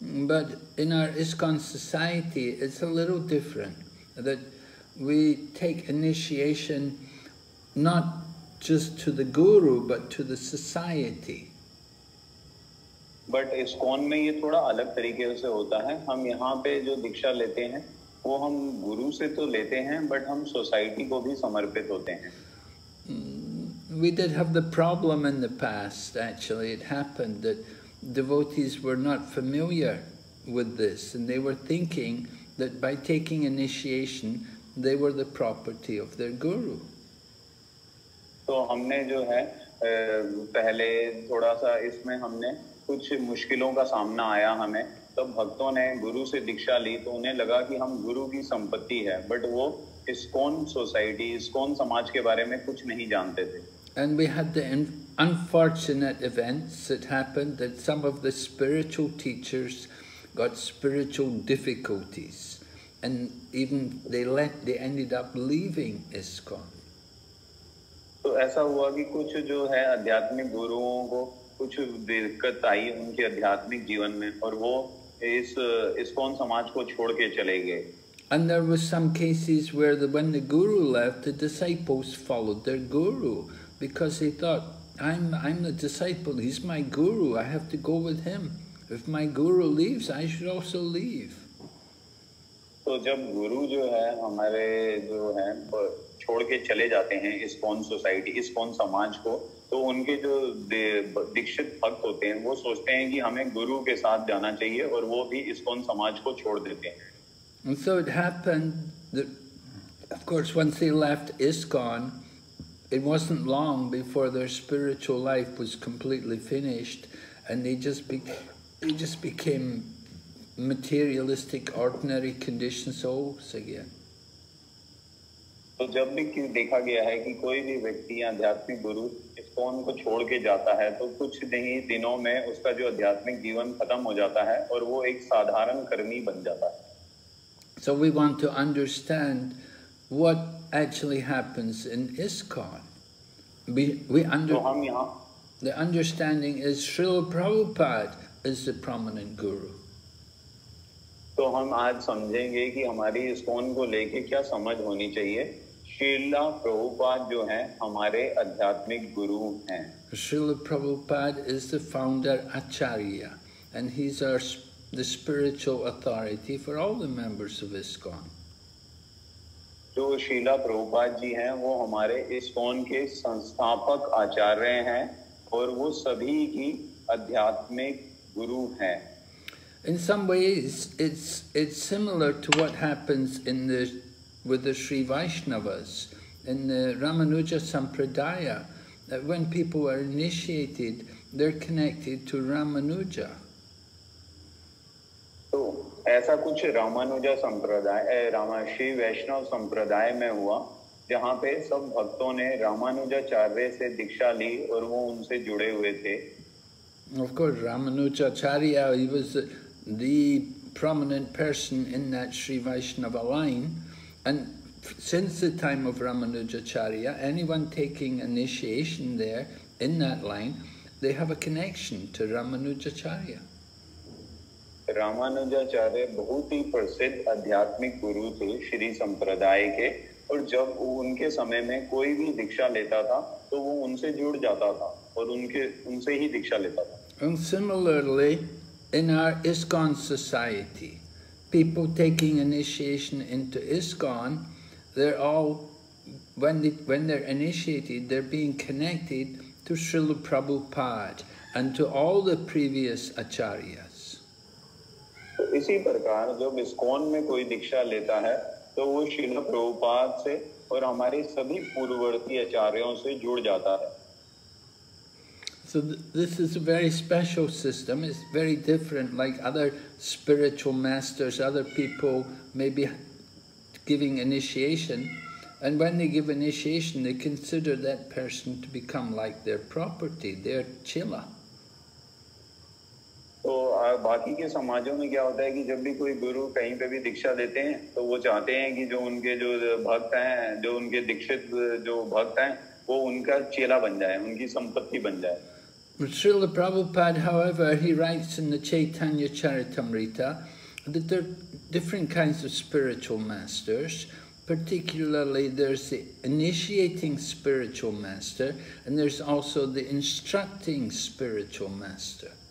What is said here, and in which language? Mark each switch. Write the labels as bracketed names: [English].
[English] But in our ISKCON society it's a little different that We take initiation not just to the guru but to the society. [Hindi] But ISKCON में ये थोड़ा अलग तरीके से होता है हम यहाँ पे जो दीक्षा लेते हैं वो हम गुरु से तो लेते हैं but हम society को भी समर्पित होते हैं. [English] We did have the problem in the past actually it happened that devotees were not familiar with this and they were thinking that by taking initiation they were the property of their guru. [Hindi] So हमने जो है पहले थोड़ा सा इसमें हमने कुछ मुश्किलों का सामना आया हमें तब भक्तों ने गुरु से दीक्षा ली तो उन्हें लगा कि हम गुरु की संपत्ति है but वो ISKCON society ISKCON समाज के बारे में कुछ नहीं जानते थे. [English] And we had the unfortunate events that happened that some of the spiritual teachers got spiritual difficulties. And even they ended up leaving ISKCON. [Hindi] So, ऐसा हुआ कि कुछ जो है आध्यात्मिक गुरुओं को कुछ दिक्कत आई उनके आध्यात्मिक जीवन में और वो इस ISKCON समाज को छोड़के चले गए. [English] And there were some cases where when the guru left, the disciples followed their guru because they thought, I'm the disciple. He's my guru. I have to go with him. If my guru leaves, I should also leave. [Hindi] तो जब गुरु जो है हमारे जो है छोड़ के चले जाते हैं ISKCON सोसाइटी ISKCON समाज को तो उनके जो दीक्षित भक्त होते हैं वो सोचते हैं कि हमें गुरु के साथ जाना चाहिए और वो भी ISKCON समाज को छोड़ देते हैं [English] And so it happened that, of course, once they left ISKCON, it wasn't long before their spiritual life was completely finished and they just became materialistic, ordinary conditioned souls again. [Hindi] So, जब भी देखा गया है कि कोई भी व्यक्ति या आध्यात्मिक गुरु ISKCON को छोड़ के जाता है, तो कुछ नहीं दिनों में उसका जो आध्यात्मिक जीवन खत्म हो जाता है और वो एक साधारण कर्मी बन जाता है. [English] So, we want to understand what actually happens in ISKCON. The understanding is Srila Prabhupada is the prominent guru. [Hindi] तो हम आज समझेंगे कि हमारी ISKCON को लेके क्या समझ होनी चाहिए श्रीला प्रभुपाद जो हैं हमारे आध्यात्मिक गुरु हैं [English] Shrila Prabhupada is the founder acharya and he is our the spiritual authority for all the members of ISKCON [Hindi] जो शील प्रभुपाद जी हैं वो हमारे ISKCON के संस्थापक आचार्य हैं और वो सभी की आध्यात्मिक गुरु हैं. [English] In some ways, it's similar to what happens in the with the Sri Vaishnavas in the Ramanuja Sampradaya, that when people are initiated, they're connected to Ramanuja. [Hindi] So, ऐसा कुछ Ramanuja Sampradaya, Sri Vaishnav Sampradaya में हुआ, जहाँ पे सब भक्तों ने Ramanuja Charya से दीक्षा ली और वो उनसे जुड़े हुए थे. [English] Of course, Ramanuja Charya, he was the prominent person in that Sri Vaishnava line, and since the time of Ramanujacharya, anyone taking initiation there in that line, they have a connection to Ramanujacharya. [Hindi] Ramanujacharya बहुत ही प्रसिद्ध आध्यात्मिक गुरु थे श्री संप्रदाय के, और जब उनके समय में कोई भी दीक्षा लेता था तो वो उनसे जुड़ जाता था और उनके उनसे ही दीक्षा लेता था. [English] And similarly, in our ISKCON society, people taking initiation into ISKCON, they're all, when they're initiated, they're being connected to Srila Prabhupada and to all the previous acharyas. [Hindi] इसी प्रकार जब ISKCON में कोई दीक्षा लेता है तो वो श्रील प्रभुपाद से और हमारे सभी पूर्ववर्ती आचार्यों से जुड़ जाता है. [English] So this is a very special system. It's very different, like other spiritual masters, other people maybe giving initiation. And when they give initiation, they consider that person to become like their property, their chela. [Hindi] So, बाकी के समाजों में क्या होता है कि जब भी कोई गुरु कहीं पे भी दीक्षा देते हैं, तो वो चाहते हैं कि जो उनके जो भक्त हैं, जो उनके दीक्षित जो भक्त हैं, वो उनका चेला बन जाए, उनकी संपत्ति बन जाए. [English] Srila Prabhupada, however, he writes in the Chaitanya Charitamrita that there are different kinds of spiritual masters. Particularly, there's the initiating spiritual master, and there's also the instructing spiritual master.